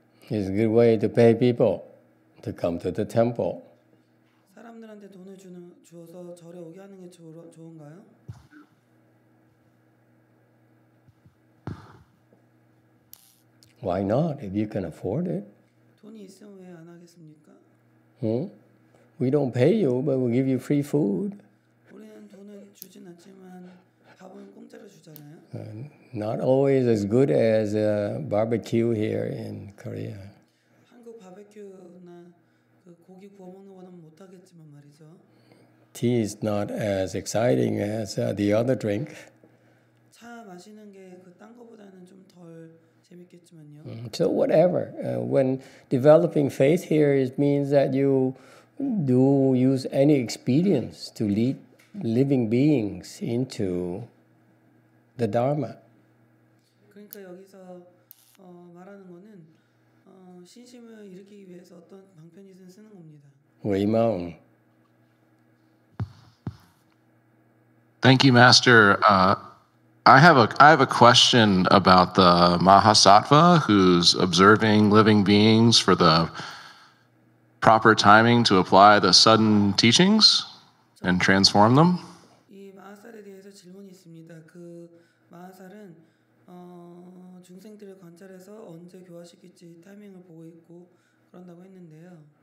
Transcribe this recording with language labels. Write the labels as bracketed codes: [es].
[en] It's a good way to pay people to come to the temple. [ko] 사람들한테 돈을 주어서 절에 오게 하는 게 좋은가요? [en] Why not? If you can afford it. [ko] 돈이 있으면 왜 안 하겠습니까? [en] We don't pay you, but we'll give you free food. [ko] 우리는 돈을 주진 않지만 밥은 공짜로 주잖아요. [en] Not always as good as barbecue here in Korea. [ko] 한국 바베큐나 그 고기 구워 먹는 거는 못 하겠지만 말이죠. [en] Tea is not as exciting as the other drink. [ko] 차 마시는 게 그 딴 거보다는 좀 덜 재밌겠지만요. [en] So whatever. When developing faith here, it means that you do use any expedients to lead living beings into the Dharma. [ko] 그러니까 여기서 말하는 거는 신심을 일으키기 위해서 어떤 방편이든 쓰는 겁니다. 위마음. [en] Thank you, Master. I have a question about the Mahasattva who's observing living beings for the proper timing to apply the sudden teachings and transform them. [ko] 이 마하살에 대해서 질문이 있습니다. 그 마하살은 중생들을 관찰해서 언제 교화시킬지 타이밍을 보고 있고 그런다고 했는데요.